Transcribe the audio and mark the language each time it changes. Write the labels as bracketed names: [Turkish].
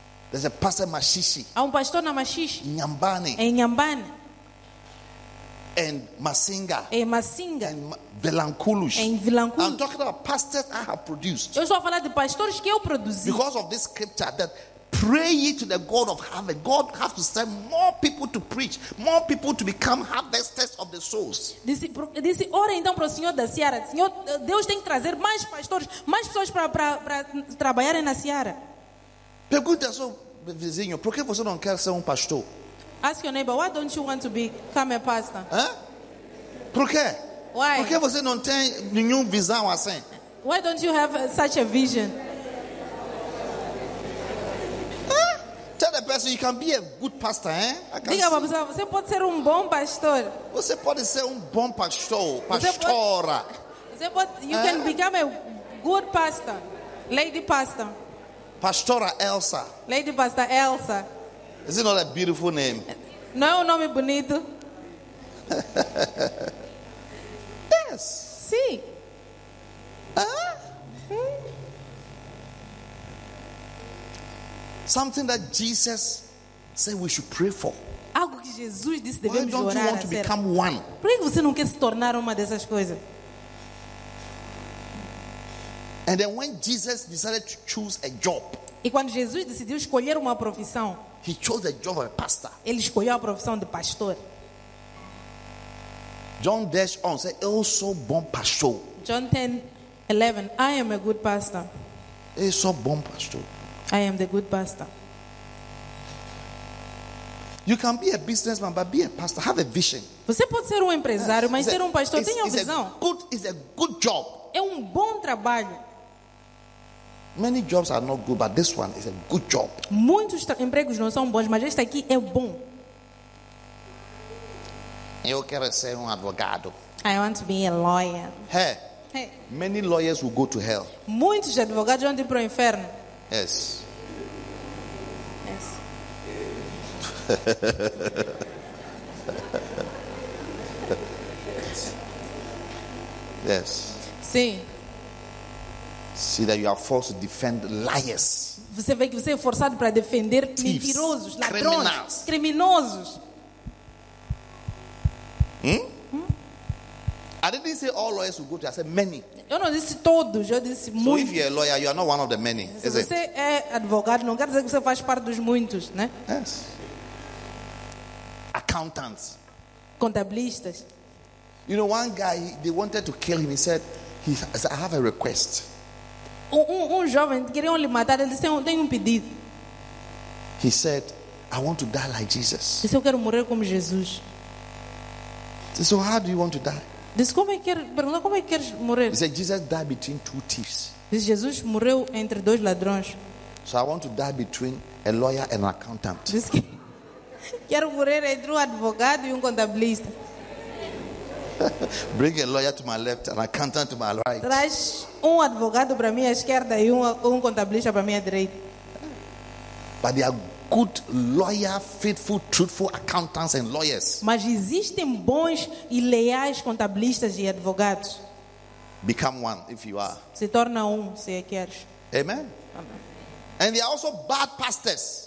[English] There's a pastor in Mashishi. [Portuguese] Há pastor na Mashishi. [English] Nyambane. [Portuguese] Em Nyambane. [English] And Masinga. [Portuguese] E Masinga. [English] And Vilankulush. [Portuguese] Em Vilankulush. [English] I'm talking about pastors I have produced. [Portuguese] Eu estou a falar de pastores que eu produzi. [English] Because of this scripture that pray ye to the God of heaven. God has to send more people to preach, more people to become harvesters of the souls. [Portuguese] Disse, ora então para o Senhor da Seara. Senhor, Deus tem que trazer mais pastores, mais pessoas para trabalharem na Seara. Pergunta ao seu vizinho, por que você não quer ser pastor? [English] Ask your neighbor, why don't you want to become a pastor? [Portuguese] Por quê? [English] Why? [Portuguese] Por que você não tem nenhum visão assim? [English] Why don't you have such a vision? Tell the person you can be a good pastor, eh? [Portuguese] Diga para a pessoa, você pode ser bom pastor. Você pode ser bom pastor, pastora. Você pode, [English] you can become a good pastor, lady pastor. [Portuguese] Pastora Elsa. [English] Lady Pastor Elsa. Is it not a beautiful name? [Portuguese] Não é nome bonito? [English] Yes. [Portuguese] Sim. [English] Something that Jesus said we should pray for. [Portuguese] Algo que Jesus disse devemos orar. [English] Why don't you want to become one? [Portuguese] Por que você não quer se tornar uma dessas coisas? [English] And then when Jesus decided to choose a job. [Portuguese] E quando Jesus decidiu escolher uma profissão. [English] He chose the job of a pastor. [Portuguese] Ele escolheu a profissão de pastor. [English] John 10:11 said, [Portuguese] "Eu sou bom pastor." [English] John 10:11, "I am a good pastor." [Portuguese] Eu sou bom pastor. [English] I am the good pastor. You can be a businessman, but be a pastor. Have a vision. [Portuguese] Você pode ser empresário, mas ser pastor tem uma visão. [English] It's a good job. [Portuguese] É bom trabalho. [English] Many jobs are not good, but this one is a good job. [Portuguese] Muitos empregos não são bons, mas este aqui é bom. Eu quero ser advogado. [English] I want to be a lawyer. Hey. Hey. Many lawyers will go to hell. [Portuguese] Muitos advogados vão para o inferno. [English] Yes. Yes. Yes. [Portuguese] Sim. [English] See that you are forced to defend liars. [Portuguese] Você vê que você é forçado para defender [English] thieves, [Portuguese] mentirosos, ladrões, criminosos. [English] I didn't say all lawyers will go to. I said many. [Portuguese] Eu não disse todos, eu disse [English] so [Portuguese] muitos. [English] So if you're a lawyer, you are not one of the many. [Portuguese] Se [English] is [Portuguese] você [English] it? [Portuguese] É advogado, não quer dizer que você faz parte dos muitos, né? [English] Yes. Accountants. [Portuguese] Contabilistas. [English] You know, one guy, they wanted to kill him. He said, "I have a request." [Portuguese] Jovem queria lhe matar, ele disse, tem pedido. [English] He said, "I want to die like Jesus." [Portuguese] Ele disse, eu quero morrer como Jesus. [English] So how do you want to die? [Portuguese] Disse, como é que queres morrer? [English] He said, "Jesus died between two thieves." [Portuguese] Disse, Jesus morreu entre dois ladrões. [English] So I want to die between a lawyer and an accountant. [Portuguese] Disse que quero morrer entre advogado e contabilista. [English] Bring a lawyer to my left and an accountant to my right. [Portuguese] Traz advogado para minha esquerda e contabilista para minha direita. [English] But there are good lawyer, faithful, truthful accountants and lawyers. [Portuguese] Mas existem bons e leais contabilistas e advogados. [English] Become one if you are. [Portuguese] Se torna se queres. Amen. Amen. [English] And there are also bad pastors.